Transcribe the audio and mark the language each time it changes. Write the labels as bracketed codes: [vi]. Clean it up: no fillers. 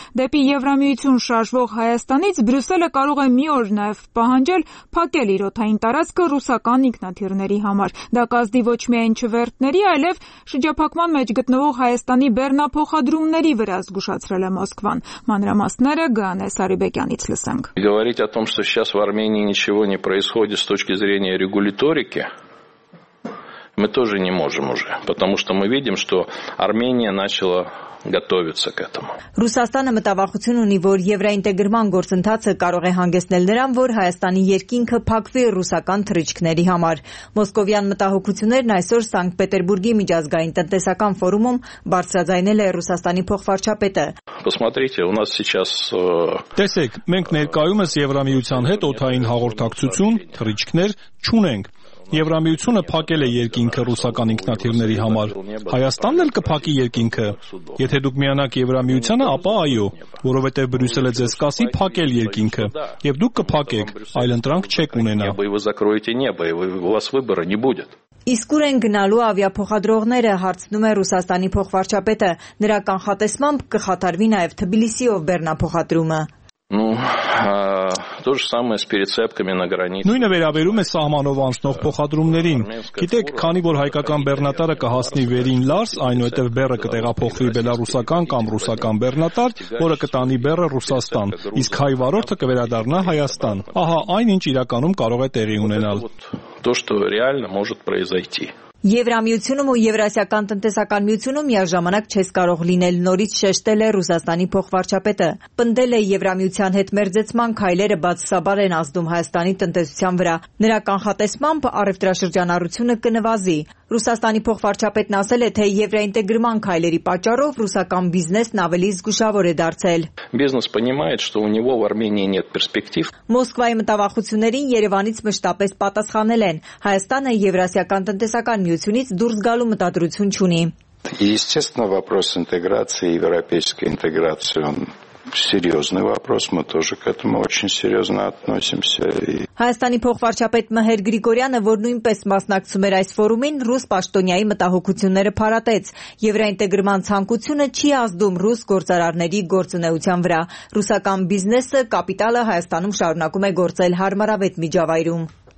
[hy] դեպի Եվրամիություն շարժվող Հայաստանից Բրյուսելը կարող է մի օր նաև պահանջել փակել իր օթային տարածքը ռուսական ինքնաթիռների համար։ Դա կազդի ոչ միայն չվերթների, այլև շրջափակման մեջ գտնվող Հայաստանի Բեռնափոխադրումների վրա զգուշացրել Москва. Манрамаснера Гане Сарибекянից լսենք. [ru] Говорить о том, что сейчас в Армении ничего не происходит с точки зрения регуляторики, мы тоже не можем уже, потому что мы видим, что Армения начала готовиться к этому. [hy] Ռուսաստանը մտավախություն ունի, որ եվրոինտեգրման գործընթացը կարող է հանգեցնել նրան, որ Հայաստանի երկինքը փակվի ռուսական թռիչքների համար։ Մոսկովյան մտահոգություններն այսօր Սանկտպետերբուրգի միջազգային տնտեսական ֆորումում բարձրացանել է Ռուսաստանի փոխվարչապետը։ [ru] Посмотрите, у нас сейчас [hy] Տեսեք, մենք ներկայումս Եվրամիության հետ օթային հաղորդակցություն, թռիչքներ չունենք։ Եվրամիությունը փակել է երկինքը ռուսական ինքնաթիռների համար։ Հայաստանն էլ կփակի երկինքը։ Եթե դուք միանաք Եվրամիությանը, ապա այո, որովհետև Բրյուսելը ձեզ կասի փակել երկինքը, եւ դուք կփակեք, այլ ընտրանք չեք ունենա։ Իսկ ուր են գնալու ավիափոխադրողները, հարցնում է Ռուսաստանի փոխվարչապետը։ Նրա կանխատեսմամբ կխաթարվի նաեւ Թբիլիսիով Բեռնափոխադրումը։ [ru] То же самое с перецепками на границе. Ну и [hy] վերաբերում է սահմանով անցնող փոխադրումներին։ Գիտեք, քանի որ հայկական բեռնատարը կհասնի Վերին Լարս, այնուհետև բեռը կտեղափոխվի Բելարուսական կամ ռուսական բեռնատար, որը կտանի բեռը Ռուսաստան, իսկ հայ վարորդը կվերադառնա Հայաստան։ Ահա այն ինչ իրականում կարող է տեղի ունենալ։ [ru] То, что реально может произойти. [hy] Եվրամիությունում ու Եվրասիական տնտեսական միությունում միաժամանակ չես կարող լինել, նորից շեշտել է Ռուսաստանի փոխվարչապետը։ Պնդել է Եվրամիության հետ մերձեցման քայլերը բացասաբար են ազդում Հայաստանի տնտեսության վրա։ Նրա կանխատեսմամբ առևտրաշրջանառությունը կնվազի։ Ռուսաստանի փոխվարչապետն ասել է, թե եվրոինտեգրման քայլերի պատճառով ռուսական բիզնեսն ավելի զգուշավոր է դարձել։ [ru] Բիզնես понимает, что у него в Армении нет перспектив։ [hy] Մոսկվայի մտավախություններին Երևանից մշտապես պատասխանել են։ Հայաստանը Եվրասիական տնտեսական միությունից դուրս գալու մտադրություն չունի։ [ru] Естественно, вопрос интеграции, европейской интеграции, он серьёзный вопрос, мы тоже к этому очень серьёзно относимся. [hy] Հայաստանի փոխվարչապետ Մհեր Գրիգորյանը, որ նույնպես մասնակցում էր այս ֆորումին, ռուս-պաշտոնյայի մտահոգությունները փարատեց։ Եվրոինտեգրման ցանկությունը չի ազդում ռուս գործարարների գործունեության վրա։ Ռուսական բիզնեսը, կապիտալը Հայաստանում շարունակում է գործել հարմարավետ միջավայրում։